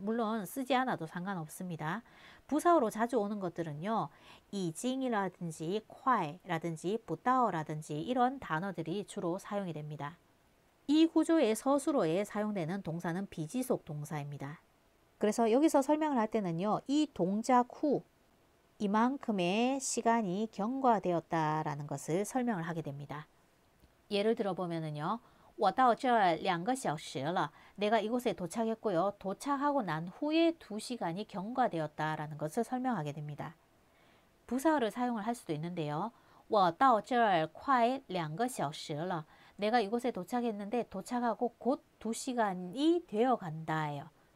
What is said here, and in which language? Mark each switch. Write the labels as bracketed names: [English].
[Korean] 물론 쓰지 않아도 상관없습니다. 부사어로 자주 오는 것들은요, 이징이라든지 콰이라든지 붓다어라든지 이런 단어들이 주로 사용이 됩니다. 이 구조의 서술어에 사용되는 동사는 비지속 동사입니다. 그래서 여기서 설명을 할 때는요, 이 동작 후 이만큼의 시간이 경과되었다라는 것을 설명을 하게 됩니다. 예를 들어 보면은요, [Chinese] 我到这2个小时了。 [Korean] 내가 이곳에 도착했고요. 도착하고 난 후에 2시간이 경과되었다라는 것을 설명하게 됩니다. 부사어를 사용을 할 수도 있는데요. [Chinese] 我到这快2个小时了。 [Korean] 내가 이곳에 도착했는데 도착하고 곧 2시간이 되어 간다예요.